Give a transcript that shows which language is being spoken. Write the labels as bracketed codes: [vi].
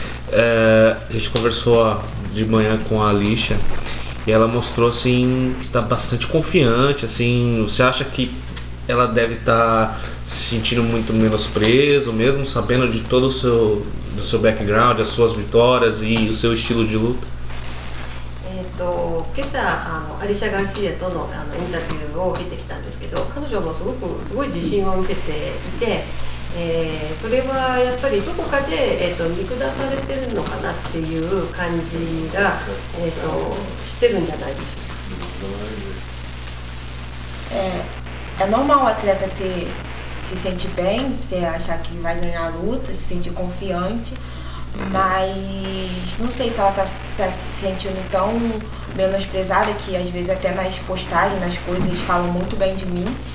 [pt] A gente conversou de manhã com a Alicia e ela mostrou assim, que está bastante confiante. Assim, você acha que ela deve estar se sentindo muito menos preso, mesmo sabendo de todo o seu, do seu background, as suas vitórias e o seu estilo de luta? [ja] 今朝アリシャ・ガルシアとのインタビューを受けてきたんですけど、彼女もすごい自信を見せていて、それはやっぱりどこかで、見下されてるのかなっていう感じが、してるんじゃないでしょうか。 [pt] É normal o atleta se sentir bem, se achar que vai ganhar a luta, se sentir confiante. Mas não sei se ela está se sentindo tão menosprezada, que às vezes até nas postagens, nas coisas, falam muito bem de mim.